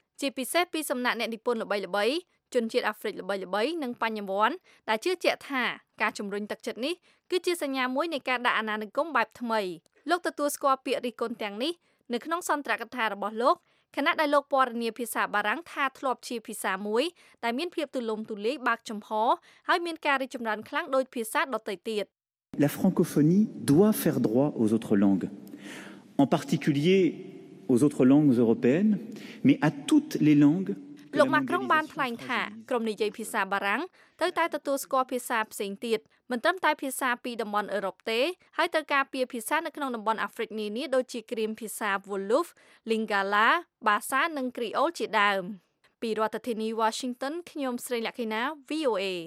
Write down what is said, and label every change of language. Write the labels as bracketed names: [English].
[Khmer] ជាពិសេសពីសំណាក់អ្នកនិពន្ធល្បីៗជនជាតិអាហ្វ្រិកល្បីៗនិងបញ្ញវន្តដែលជឿជាក់ថាការជំរុញទឹកចិត្តនេះគឺជាសញ្ញាមួយនៃការដាក់អាណានិគមបែបថ្មីលោកទទួលស្គាល់ពាក្យរិះគន់ទាំងនេះនៅក្នុងសន្ទរកថារបស់លោកខណៈដែលលោកពណ៌នាភាសាបារាំងថាធ្លាប់ជាភាសាមួយដែលមានភាពទូលំទូលាយបើកចំហហើយមានការរីចម្រើនខ្លាំងដោយភាសាដទៃទៀត [French] La francophonie doit faire droit aux autres langues en particulier aux autres langues européennes mais à toutes les langues [Khmer] លោកម៉ាក្រុងបានថ្លែងថាក្រុមនិយាយភាសាបារាំងត្រូវតែទទួលស្គាល់ភាសាផ្សេងទៀតមិនត្រឹមតែភាសាពីតំបន់អឺរ៉ុបទេហើយត្រូវការពីភាសានៅក្នុងតំបន់អាហ្វ្រិកនានាដូចជាគ្រាមភាសាវ៉ូលូហ្វលីងកាឡាបាសានិងគ្រីអូលជាដើមពីរដ្ឋធានី Washington ខ្ញុំស្រីលក្ខិណា VOA